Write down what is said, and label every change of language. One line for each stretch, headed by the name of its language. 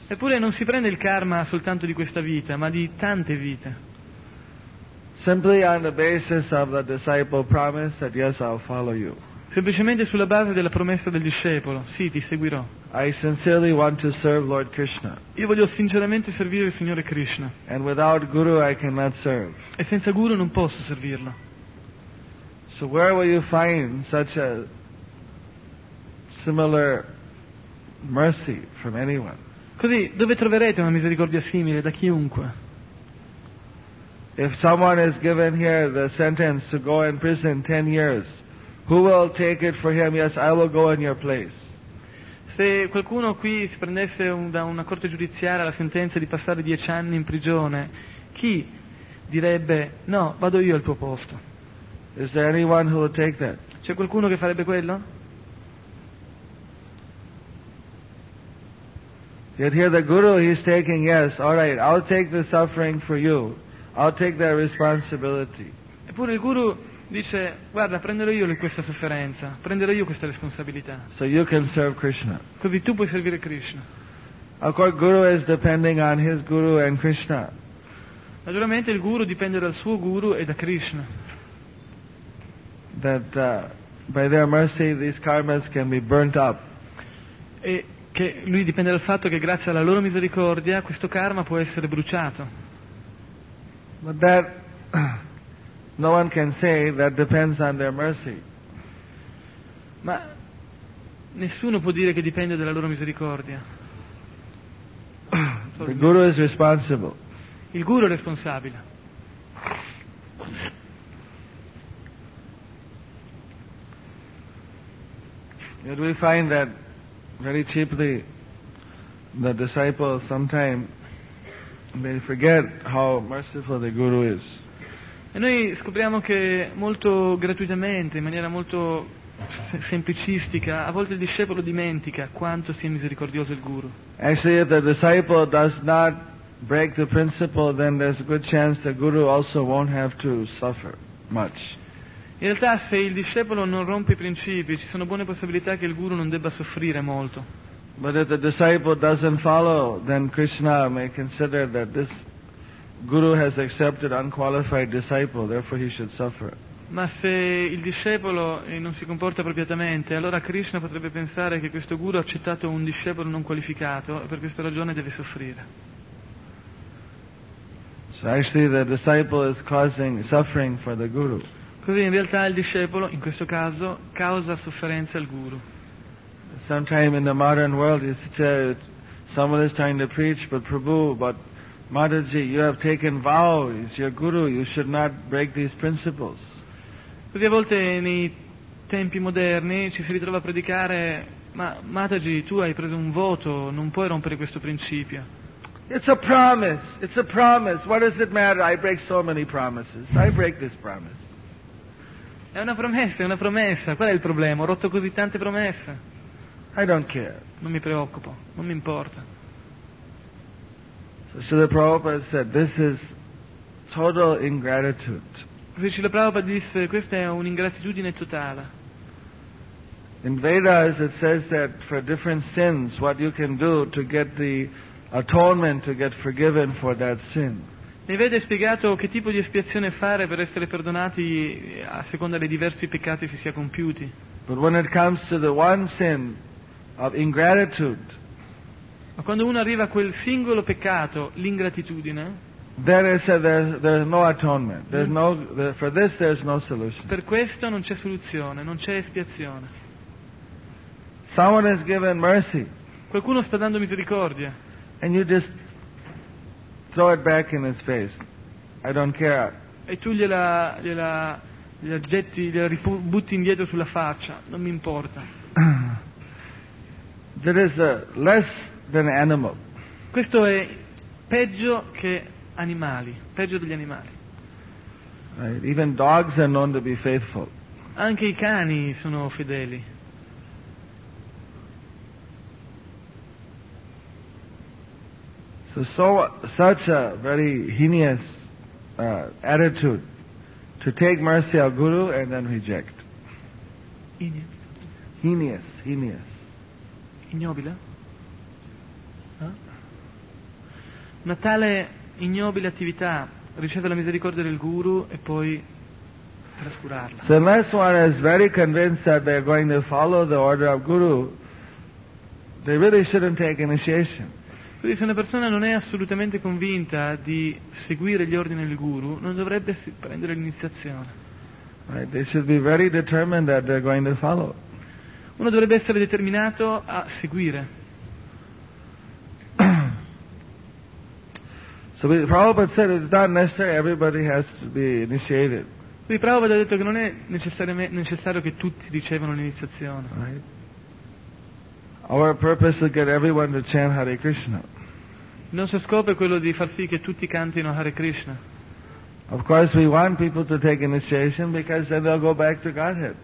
Italian: Eppure non si prende il karma soltanto di questa vita, ma di tante vite.
English: Simply on the basis of the disciple promise that yes, I'll follow you.
Italian: Semplicemente sulla base della promessa del discepolo, sì, ti seguirò.
English: I sincerely want to serve Lord Krishna.
Italian: Io voglio sinceramente servire il Signore Krishna.
English: And without guru I cannot serve.
Italian: E senza guru non posso servirlo.
English: So where will you find such a similar mercy from anyone?
Italian: Così, dove troverete una misericordia simile da chiunque?
English: If someone is given here the sentence to go in prison 10 years, who will take it for him? Yes, I will go in your place.
Italian: Se qualcuno qui si prendesse da una corte giudiziaria la sentenza di passare 10 anni in prigione, chi direbbe: no, vado io al tuo posto?
English: Is there anyone who will take that?
Italian: C'è qualcuno che farebbe quello?
English: Yet here the guru is taking, yes, all right, I'll take the suffering for you. I'll take that responsibility.
Italian: Eppure il guru dice, guarda, prenderò io questa sofferenza, prenderò io questa responsabilità.
English: So you can serve Krishna.
Italian: Così tu puoi servire Krishna.
English: Of course, guru is depending on his guru and Krishna.
Italian: Naturalmente il guru dipende dal suo guru e da Krishna.
English: That by their mercy these karmas can be burnt up.
Italian: E che lui dipende dal fatto che grazie alla loro misericordia questo karma può essere bruciato.
English: But that no one can say that depends on their mercy.
Italian: Ma nessuno può dire che dipende dalla loro misericordia.
English: The guru is responsible.
Italian: Il guru è responsabile.
English: Yet we find that very cheaply the disciples sometimes they forget how merciful the guru is.
Italian: E noi scopriamo che molto gratuitamente, in maniera molto semplicistica, a volte il discepolo dimentica quanto sia misericordioso il guru.
English: Actually, if the disciple does not break the principle, then there's a good chance the guru also won't have to suffer much.
Italian: In realtà, se il discepolo non rompe i principi, ci sono buone possibilità che il guru non debba soffrire molto.
English: But if the disciple doesn't follow, then Krishna may consider that this guru has accepted unqualified disciple, therefore he should suffer.
Italian: Ma se il discepolo non si comporta appropriatamente, allora Krishna potrebbe pensare che questo guru ha accettato un discepolo non qualificato e per questa ragione deve soffrire.
English: So actually the disciple is causing suffering for the guru.
Italian: Così in realtà il discepolo, in questo caso, causa sofferenza al guru.
English: Sometime in the modern world you see someone is trying to preach, but Prabhu, but Mataji, you have taken vows, your guru, you should not break these principles.
Italian: Così a volte nei tempi moderni ci si ritrova a predicare, ma Mataji, tu hai preso un voto, non puoi rompere questo principio.
English: It's a promise, it's a promise. What does it matter? I break so many promises. I break this promise.
Italian: È una promessa, è una promessa. Qual è il problema? Ho rotto così tante promesse.
English: I don't care.
Italian: Non mi preoccupo, non mi importa.
English: So Srila Prabhupada said, this is total ingratitude.
Italian: Srila Prabhupada disse, questa è un'ingratitudine totale.
English: In Vedas it says that for different sins, what you can do to get the atonement, to get forgiven for that sin.
Italian: Ne vede spiegato che tipo di espiazione fare per essere perdonati a seconda dei diversi peccati si sia compiuti.
English: But when it comes to the one sin of ingratitude,
Italian: ma quando uno arriva a quel singolo peccato, l'ingratitudine,
English: then it says there's no atonement. There's no, for this there's no solution.
Italian: Per questo non c'è soluzione, non c'è espiazione.
English: Someone has given mercy.
Italian: Qualcuno sta dando misericordia.
English: And you just throw it back in his face. I don't care.
Italian: E tu gliela getti, gliela butti indietro sulla faccia. Non mi importa.
English: That is less than animal.
Italian: Questo è peggio che animali, peggio degli animali.
English: Right. Even dogs are known to be faithful.
Italian: Anche i cani sono fedeli.
English: So such a very heinous attitude to take mercy of guru and then reject.
Italian: Heinous. Ignobile? Huh? Una tale ignobile attività, ricevere la misericordia del guru e poi trascurarla.
English: So unless one is very convinced that they are going to follow the order of guru, they really shouldn't take initiation.
Italian: Quindi se una persona non è assolutamente convinta di seguire gli ordini del guru, non dovrebbe prendere l'iniziazione.
English: Right, they should be very determined that they're going to follow.
Italian: Uno dovrebbe essere determinato a seguire.
English: So Prabhupada said it's not necessary everybody has to be initiated.
Italian: Quindi Prabhupada ha detto che non è necessario che tutti ricevano l'iniziazione.
English: Right. Our purpose is to get everyone to chant Hare Krishna.
Italian: Il nostro scopo è quello di far sì che tutti cantino Hare Krishna.
English: Of course we want people to take initiation because then they'll go back to Godhead.